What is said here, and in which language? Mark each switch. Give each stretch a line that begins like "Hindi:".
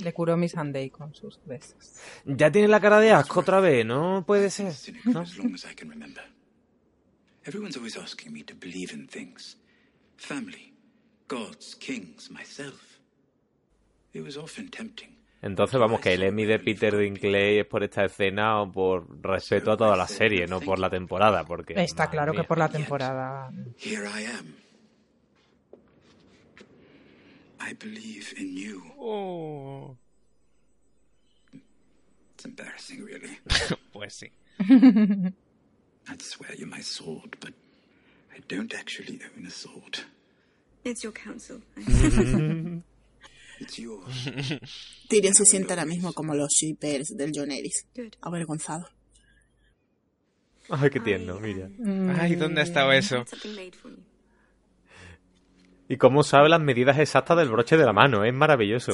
Spanish: Le curó Missandei con sus besos. Ya tiene la cara de asco otra vez, ¿no? Puede ser. ¿No?
English: As long as I can remember. Everyone's always asking me to believe in things. Family, gods, kings, myself. It was often tempting.
Spanish: Entonces vamos, que el Emmy de Peter Dinklage es por esta escena o por respeto a toda la serie, no por la temporada, porque está claro que por la temporada.
English: Here I am. I believe in you. Oh. It's embarrassing, really.
Spanish: Pues sí.
English: I'd swear you're my sword, but I don't actually own a sword. It's your counsel. It's yours.
Spanish: Tyrion se siente ahora mismo como los shippers del Jonerys. Avergonzado. Ay, qué tierno, mira. Ay, ¿dónde ha estado eso? Y cómo sabe las medidas exactas del broche de la mano, es maravilloso.